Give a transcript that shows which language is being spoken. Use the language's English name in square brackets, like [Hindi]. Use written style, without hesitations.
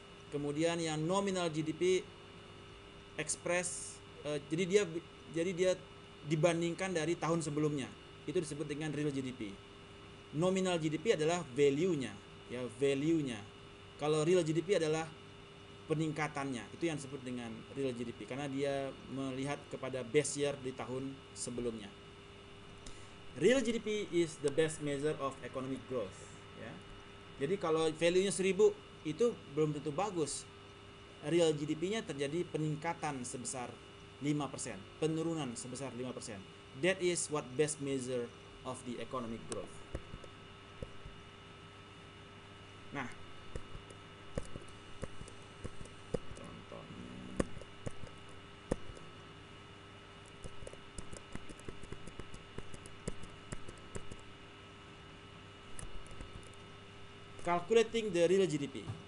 [Indonesian] Kemudian yang nominal GDP express jadi dia dibandingkan dari tahun sebelumnya. Itu disebut dengan real GDP. Nominal GDP adalah value-nya, ya, value-nya. Kalau real GDP adalah peningkatannya, itu yang disebut dengan real GDP karena dia melihat kepada base year di tahun sebelumnya. [English] Real GDP is the best measure of economic growth, ya. [Indonesian] Jadi kalau value-nya 1000 itu belum tentu bagus. Real GDP-nya terjadi peningkatan sebesar 5%, penurunan sebesar 5%. [English] That is what best measure of the economic growth. Nah, calculating the real GDP.